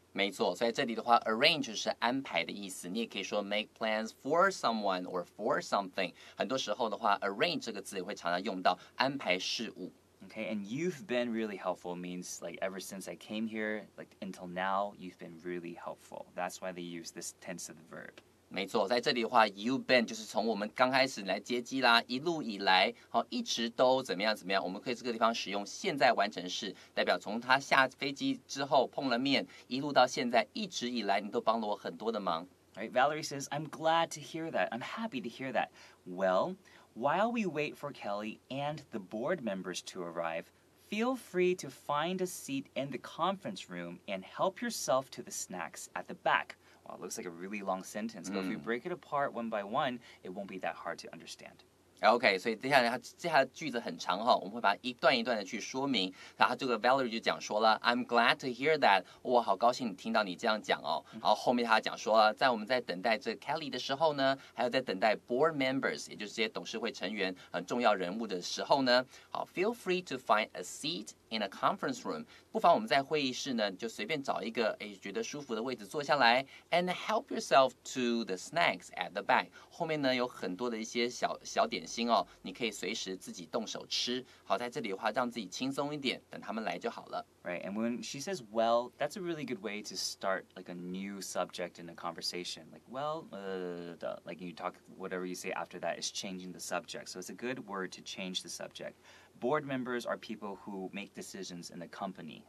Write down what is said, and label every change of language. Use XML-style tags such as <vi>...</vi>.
<zh>没错，所以这里的话 arrange 是安排的意思，你也可以说 make plans for someone or for something，很多时候的话 arrange 这个字也会常常用到安排事物。</zh> <en>Okay, and you've been really helpful means like ever since I came here, like until now, you've been really helpful. That's why they use this tense of the verb.</en> <zh>没错，在这里的话 ， you've been 就是从我们刚开始来接机啦，一路以来，好，一直都怎么样怎么样，我们可以这个地方使用现在完成式，代表从他下飞机之后碰了面，一路到现在，一直以来，你都帮了我很多的忙。</zh> <en>Right, Valerie says, I'm glad to hear that. I'm happy to hear that. Well, while we wait for Kelly and the board members to arrive, feel free to find a seat in the conference room and help yourself to the snacks at the back. Wow, it looks like a really long sentence, but if we break it apart one by one, it won't be that hard to understand.</en> <zh>OK, 所以接下来的句子很长哈，我们会把一段一段的去说明。然后这个 Valerie 就讲说了 ， I'm glad to hear that，我好高兴听到你这样讲哦。然后后面他讲说了，在我们在等待这 Kelly 的时候呢，还有在等待 board members， 也就是这些董事会成员很重要人物的时候呢，好 ， feel free to find a seat in a conference room，不妨我们在会议室呢就随便找一个哎觉得舒服的位置坐下来 ， and help yourself to the snacks at the back，后面呢有很多的一些小点。心哦，你可以随时自己动手吃。好，在这里的话，让自己轻松一点，等他们来就好了。</zh> <en>Right, and when she says well, that's a really good way to start like a new subject in a conversation. Like well, like you talk whatever you say after that is changing the subject. So it's a good word to change the subject. Board members are people who make decisions in the company.</en>